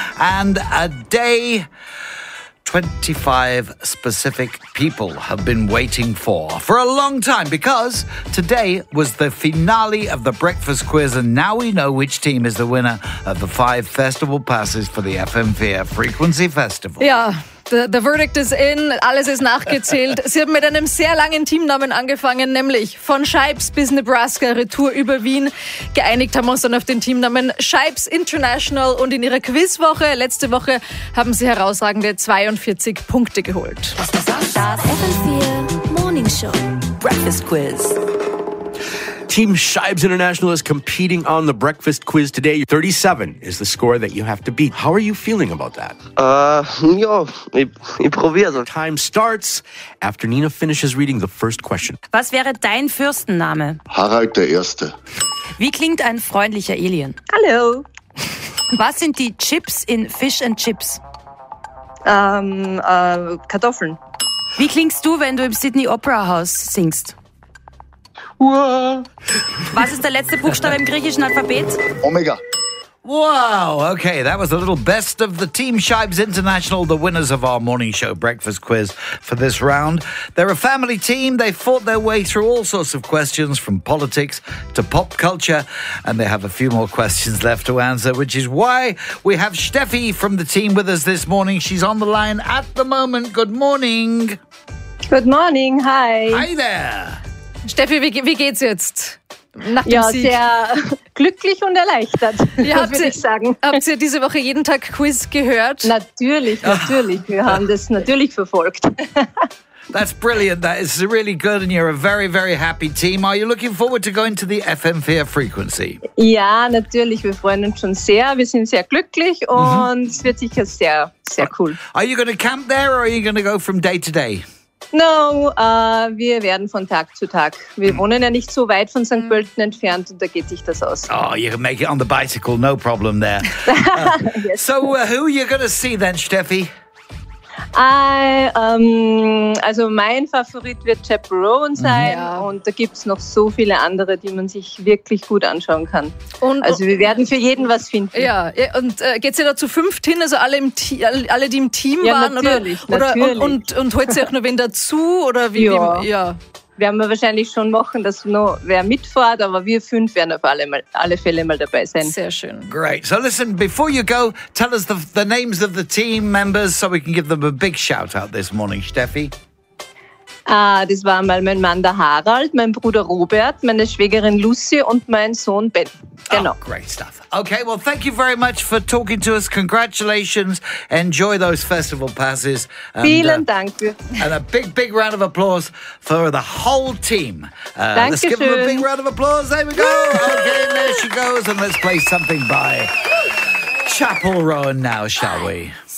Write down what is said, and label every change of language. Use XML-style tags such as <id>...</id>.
<en>And a day 25 specific people have been waiting for a long time, because today was the finale of the breakfast quiz, and now we know which team is the winner of the 5 festival passes for the FM4 Frequency Festival. Yeah. The verdict is in,</en> <de>alles ist nachgezählt. Sie haben mit einem sehr langen Teamnamen angefangen, nämlich von Scheibs bis Nebraska, Retour über Wien. Geeinigt haben wir uns dann auf den Teamnamen Scheibs International, und in ihrer Quizwoche letzte Woche haben sie herausragende 42 Punkte geholt.</de> <en>FM4 Morning Show Breakfast Quiz. Team Scheibs International is competing on the breakfast quiz today. 37 is the score that you have to beat. How are you feeling about that?</en> <de>Ich probiere.</de> <en>Time starts after Nina finishes reading the first question.</en> <de>Was wäre dein Fürstenname? Harald der Erste. Wie klingt ein freundlicher Alien? Hallo. Was sind die Chips in Fish and Chips? Kartoffeln. Wie klingst du, wenn du im Sydney Opera House singst? Was ist der letzte Buchstabe im griechischen Alphabet? Omega.</de> <en>Wow, okay, that was a little best of the Team Scheibs International, the winners of our morning show breakfast quiz for this round. They're a family team. They fought their way through all sorts of questions, from politics to pop culture, and they have a few more questions left to answer, which is why we have Steffi from the team with us this morning. She's on the line at the moment. Good morning. Good morning. Hi. Hi there.</en> <de>Steffi, wie geht's jetzt? Nach dem Sieg? Sehr glücklich und erleichtert, würde ich sagen. Habt ihr diese Woche jeden Tag Quiz gehört? Natürlich. Wir haben das natürlich verfolgt.</de> <en>That's brilliant. That is really good. And you're a very, very happy team. Are you looking forward to going to the FM4 Frequency?</en> <de>Ja, natürlich. Wir freuen uns schon sehr. Wir sind sehr glücklich und es wird sicher sehr, sehr cool.</de> <en>Are you going to camp there or are you going to go from day to day?</en> <de>No, wir werden von Tag zu Tag. Wir wohnen ja nicht so weit von St. Pölten entfernt, und da geht sich das aus.</de> <en>Oh, you can make it on the bicycle, no problem there. yes. So, who are you going to see then, Steffi?</en> <de>Also mein Favorit wird Chap Rowan sein, und da gibt es noch so viele andere, die man sich wirklich gut anschauen kann. Und, also wir werden für jeden was finden. Ja, und geht sie da zu fünft hin, also alle, die im Team waren? Ja, natürlich. Und holt sie auch nur wen dazu? Oder wie, ja. Ja. Werden wir wahrscheinlich schon machen, dass noch wer mitfährt, aber wir fünf werden auf alle Fälle mal dabei sein. Sehr schön.</de> <en>Great. So listen, before you go, tell us the names of the team members, so we can give them a big shout out this morning, Steffi. Das war einmal mein Mann, der Harald, mein Bruder Robert, meine Schwägerin Lucy und mein Sohn Ben. Genau. Oh, great stuff. Okay, well, thank you very much for talking to us. Congratulations. Enjoy those festival passes.</en> <de>And, vielen Dank.</de> <en>And a big, big round of applause for the whole team.</en> <de>Danke</de> <en>schön. Let's give them a big round of applause. There we go. Okay, there she goes. And let's play something by Chapel Rowan now, shall we?</en>